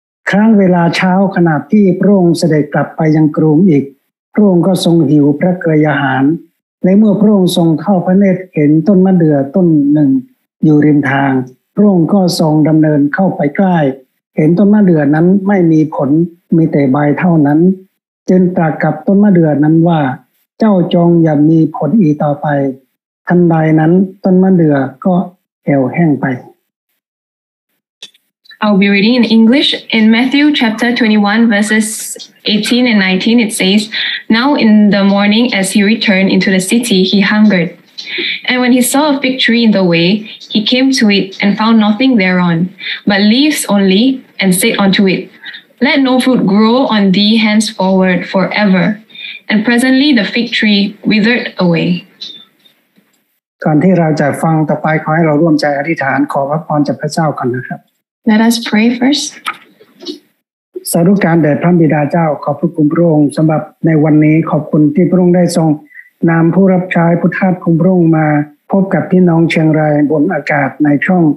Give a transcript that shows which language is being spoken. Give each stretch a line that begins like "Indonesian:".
Thai: ครั้งเวลาเช้าขณะที่พระองค์เสด็จกลับไปยังกรุงอีกพระองค์ก็ทรงหิวพระกายอาหารและเมื่อพระองค์ทรงเข้าพระเนตรเห็นต้นมะเดื่อต้นหนึ่งอยู่ริมทางพระองค์ก็ทรงดำเนินเข้าไปใกล้เห็นต้นมะเดื่อนั้นไม่มีผลมีแต่ใบเท่านั้นจึงตรัสกับต้นมะเดื่อนั้นว่าเจ้าจงอย่ามีผลอีกต่อไปทันใดนั้นต้นมะเดื่อก็เหี่ยวแห้งไป
English: I'll be reading in English in Matthew chapter 21 verses 18 and 19 it says,Now in the morning, as he returned into the city, he hungered. And when he saw a fig tree in the way, he came to it and found nothing thereon, but leaves only, and said unto it, Let no fruit grow on thee henceforward forever. And presently the fig tree withered away.
Thai: ก่อนที่เราจะฟังต่อไปขอให้เราร่วมใจอธิษฐานขอพระพรจากพระเจ้าก่อนนะครับ
English: Let us pray first.
Thai: สรุปการแด่พระบิดาเจ้าขอบพระคุณพระองค์สำหรับในวันนี้ขอบคุณที่พระองค์ได้ทรงนำผู้รับใช้ผู้ทาสของพระองค์มาพบกับพี่น้องเชียงรายบนอากาศในช่